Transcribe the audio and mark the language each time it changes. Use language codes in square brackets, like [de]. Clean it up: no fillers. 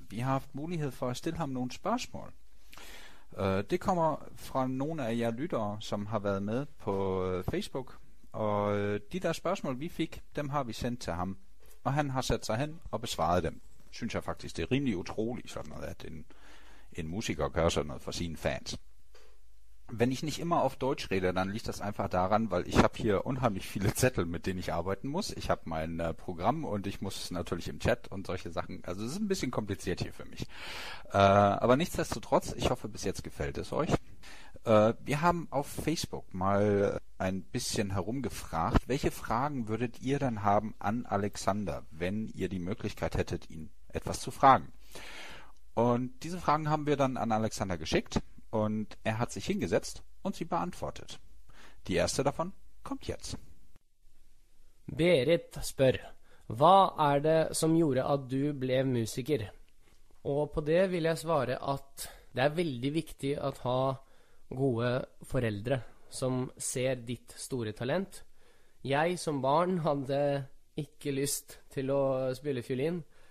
[da] Vi har haft mulighed for at stille ham nogle spørgsmål. Det kommer fra nogle af jer lyttere, som har været med på Facebook. Og de der spørgsmål, vi fik, dem har vi sendt til ham. Og han har sat sig hen og besvaret dem. Synes jeg faktisk, det er rimelig utroligt sådan noget, at en musiker gør sådan noget for sine fans. [de] Wenn ich nicht immer auf Deutsch rede, dann liegt das einfach daran, weil ich habe hier unheimlich viele Zettel, mit denen ich arbeiten muss. Ich habe mein Programm und ich muss natürlich im Chat und solche Sachen. Also es ist ein bisschen kompliziert hier für mich. Aber nichtsdestotrotz, ich hoffe, bis jetzt gefällt es euch. Wir haben auf Facebook mal ein bisschen herumgefragt, welche Fragen würdet ihr dann haben an Alexander, wenn ihr die Möglichkeit hättet, ihn etwas zu fragen. Und diese Fragen haben wir dann an Alexander geschickt. Und er hat sich hingesetzt und sie beantwortet. Die erste davon kommt jetzt. [no] Berit spør, hva det som gjorde at du ble musiker? Og på det vil jeg svare at det veldig viktig at ha gode foreldre som ser ditt store talent. Jeg som barn hadde ikke lyst til å spille fiolin.